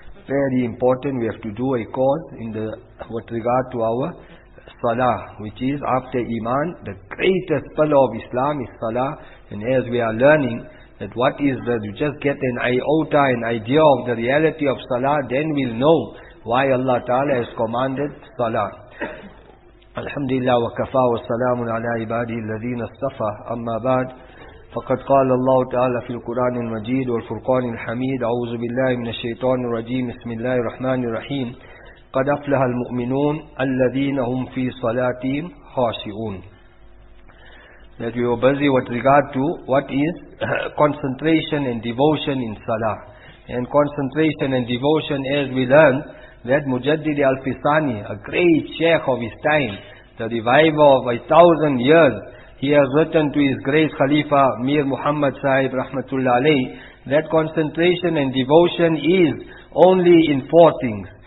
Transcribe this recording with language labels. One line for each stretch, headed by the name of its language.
English: Very important, we have to do a call in the with regard to our Salah, which is after Iman, the greatest pillar of Islam is Salah. And as we are learning that what is that, you just get an iota, an idea of the reality of Salah, then we'll know why Allah Ta'ala has commanded Salah.
Arabic: Alhamdulillah wa kafa wa salamun ala ibadihi alladhina astafa. Amma ba'd, فقد قال الله تعالى في القرآن المجيد والفرقان الحميد أعوذ بالله من الشيطان الرجيم بسم الله الرحمن الرحيم قد أفلح المؤمنون الذين هم في صلاتهم خاشعون.
English: That we were busy with regard to what is concentration and devotion in Salah. And concentration and devotion, as we learn, that Mujaddid al-Fisani, a great sheikh of his time, the reviver of 1,000 years, he has written to his great Khalifa, Mir Muhammad Sahib Rahmatullah Alayh, that concentration and devotion is only in 4 things.